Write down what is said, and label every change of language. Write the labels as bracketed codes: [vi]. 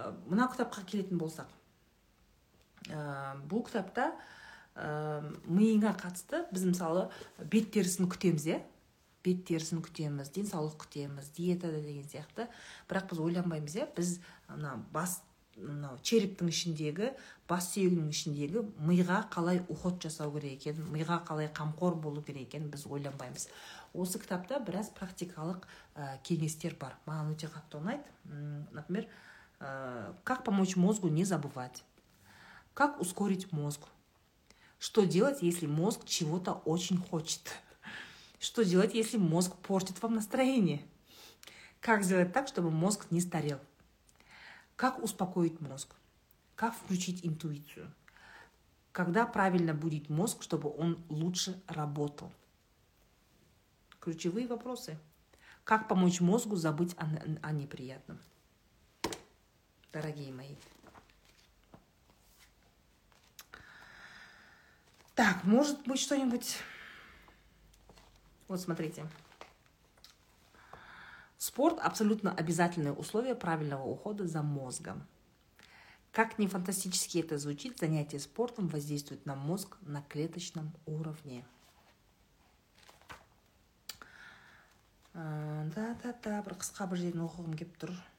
[kk] мына кітапқа келетін болсақ, бұл кітапта миыңа қатысты біз мысалы бет терісін күтеміз, иә, бет терісін күтеміз, денсаулық күтеміз, диетада деген сияқты, бірақ біз ойланбаймыз, иә, біз мына бас, мынау черептің ішіндегі, бас сүйегінің ішіндегі миға қалай уход жасау керек екен, миға қалай қамқор болу керек екен біз ойланбаймыз. Осы кітапта біраз практикалық кеңестер бар, маған өте қатты ұнайды. [ru] Например, как помочь мозгу не забывать, как ускорить мозг, что делать, если мозг чего-то очень хочет, что делать, если мозг портит вам настроение, как сделать так, чтобы мозг не старел, как успокоить мозг, как включить интуицию, когда правильно будить мозг, чтобы он лучше работал. Ключевые вопросы. Как помочь мозгу забыть о неприятном. Дорогие мои. Так, может быть что-нибудь? Вот смотрите. Спорт – абсолютно обязательное условие правильного ухода за мозгом. Как ни фантастически это звучит, занятие спортом воздействует на мозг на клеточном уровне. Да-да-да, [kk] бір қысқа бір жерін оқығым кеп тұр.